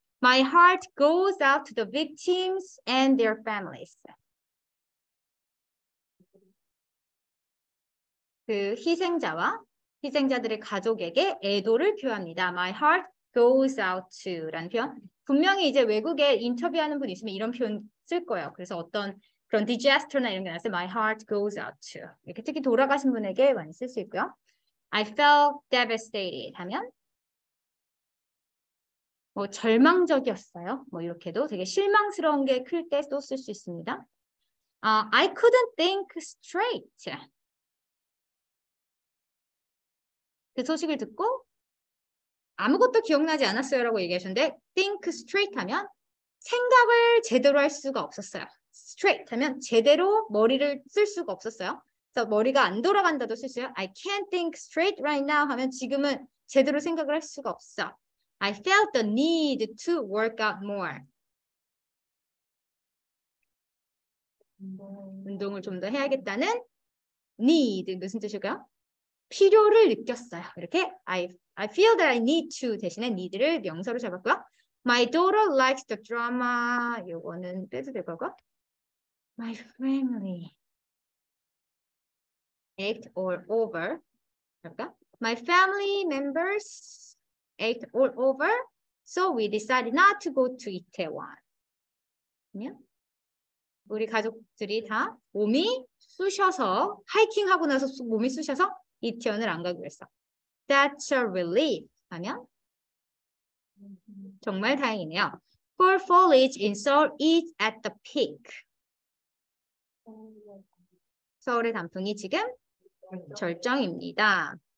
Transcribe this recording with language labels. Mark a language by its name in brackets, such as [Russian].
[English] My heart goes out to the victims and their families. [Korean] 그 희생자와 희생자들의 가족에게 애도를 표합니다. [English] My heart goes out to라는 [Korean] 표현. 분명히 이제 외국에 인터뷰하는 분 있으면 이런 표현 쓸 거예요. 그래서 어떤 그런 디제스처나 이런 게 나왔을 때 [English] My heart goes out to. [Korean] 이렇게 특히 돌아가신 분에게 많이 쓸 수 있고요. [English] I felt devastated [Korean] 하면 뭐 절망적이었어요. 뭐 이렇게도 되게 실망스러운 게 클 때 또 쓸 수 있습니다. [English] I couldn't think straight. [Korean] 그 소식을 듣고 아무것도 기억나지 않았어요라고 얘기하셨는데 think straight 하면 생각을 제대로 할 수가 없었어요. straight 하면 제대로 머리를 쓸 수가 없었어요. 그래서 머리가 안 돌아간다도 쓸 수 있어요. [English] I can't think straight right now [Korean] 하면 지금은 제대로 생각을 할 수가 없어. [English] I felt the need to work out more. [Korean] 운동을 좀더 해야겠다는 need 무슨 뜻일까요? 필요를 느꼈어요. 이렇게 [English] I feel that I need to [Korean] 대신에 need를 명사로 잡았고요. [English] My daughter likes the drama. [Korean] 요거는 빼도 될 거고. [English] My family ached all over. [Korean] 그럴까? [English] My family members ached all over. So we decided not to go to Itaewon. [Korean] 우리 가족들이 다 몸이 쑤셔서 하이킹하고 나서 몸이 쑤셔서 이태원을 안 가기로 했어. [English] That's a relief. [Korean] 하면 정말 다행이네요. [English] Fall foliage in Seoul is at the peak. [Korean] 서울의 단풍이 지금 절정입니다.